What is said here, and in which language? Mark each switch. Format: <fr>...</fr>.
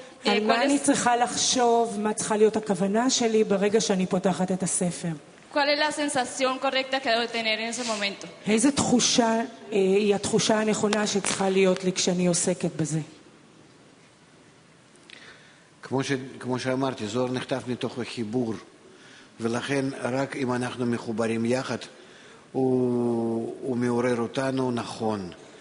<he>על מה אני צריכה לחשוב, מה צריכה להיות הכוונה שלי ברגע שאני פותחת את הספר.</he> <es>¿Cuál es la sensación correcta que debo tener en ese momento?</es> <he>איזה תחושה היא התחושה הנכונה שצריכה להיות לי כשאני עוסקת בזה? כמו שאמרתי, זוהר נכתב מתוך החיבור, ולכן רק אם אנחנו מחוברים יחד, הוא מעורר אותנו נכון.</he>